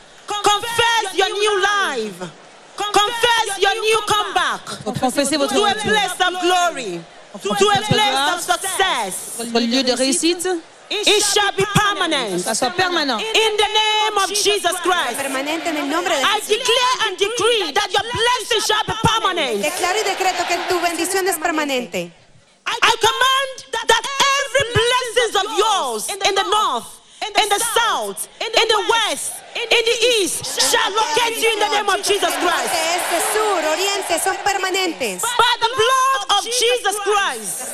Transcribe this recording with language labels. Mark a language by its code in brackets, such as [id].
[en] Confess your new life. Confess your new comeback. [fr] Confessez votre [en] to a place of glory. to a place of success. [fr] Au lieu de réussite, [en] it shall be permanent. [fr] Ça sera permanent. [en] In the name of Jesus Christ, I declare and decree that your blessing shall be permanent. [es] Declaro y decreto que tu bendición es permanente. [en] I command that every blessing of yours in the north, in the south, in the west, in the east shall locate you in the name of Jesus Christ. [es] Este, sur, oriente, son permanentes. [en] By the blood of Jesus Christ,